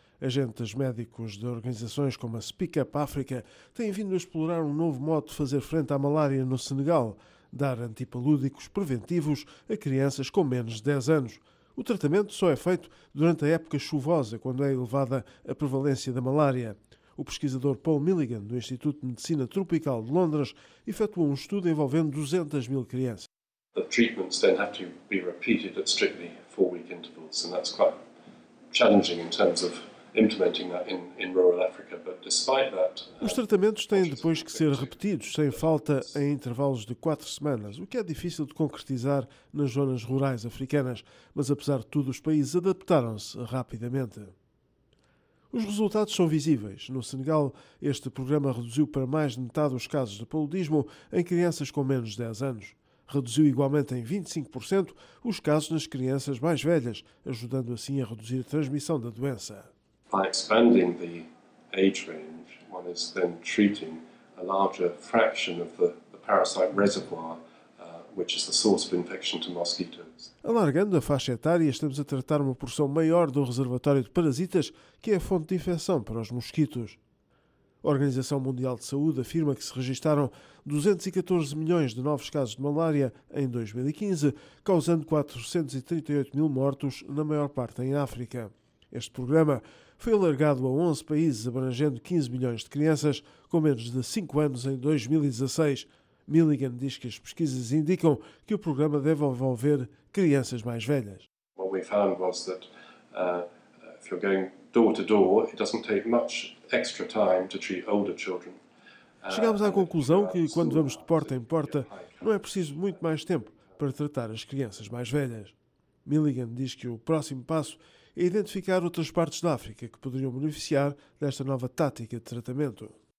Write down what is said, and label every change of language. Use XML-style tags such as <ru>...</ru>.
<pt>Agentes médicos de organizações como a Speak Up Africa têm vindo a explorar um novo modo de fazer frente à malária no Senegal, dar antipalúdicos preventivos a crianças com menos de 10 anos. O tratamento só é feito durante a época chuvosa, quando é elevada a prevalência da malária. O pesquisador Paul Milligan, do Instituto de Medicina Tropical de Londres, efetuou um estudo envolvendo 200 mil crianças.</pt> <en>The treatments then have to be repeated at strictly 4-week intervals, and that's quite challenging in terms of implementing that in rural Africa. But despite that,</en> <pt>os tratamentos têm depois que ser repetidos sem falta em intervalos de 4 semanas, o que é difícil de concretizar nas zonas rurais africanas. Mas apesar de tudo, os países adaptaram-se rapidamente. Os resultados são visíveis. No Senegal, este programa reduziu para mais de metade os casos de paludismo em crianças com menos de 10 anos. Reduziu igualmente em 25% os casos nas crianças mais velhas, ajudando assim a reduzir a transmissão da doença.</pt> <en>By expanding the age range, one is then treating a larger fraction of the parasite reservoir, which is the source of infection to mosquitoes.</en> <pt>Alargando a faixa etária, estamos a tratar uma porção maior do reservatório de parasitas, que é a fonte de infecção para os mosquitos. A Organização Mundial de Saúde afirma que se registaram 214 milhões de novos casos de malária em 2015, causando 438 mil mortos, na maior parte em África. Este programa foi alargado a 11 países, abrangendo 15 milhões de crianças com menos de 5 anos em 2016. Milligan diz que as pesquisas indicam que o programa deve envolver crianças mais velhas.</pt> <en>What we found was that if you're going door to door, it doesn't take much extra time to treat older children.</en> <pt>Chegámos à conclusão que, quando vamos de porta em porta, não é preciso muito mais tempo para tratar as crianças mais velhas. Milligan diz que o próximo passo é identificar outras partes da África que poderiam beneficiar desta nova tática de tratamento.</pt>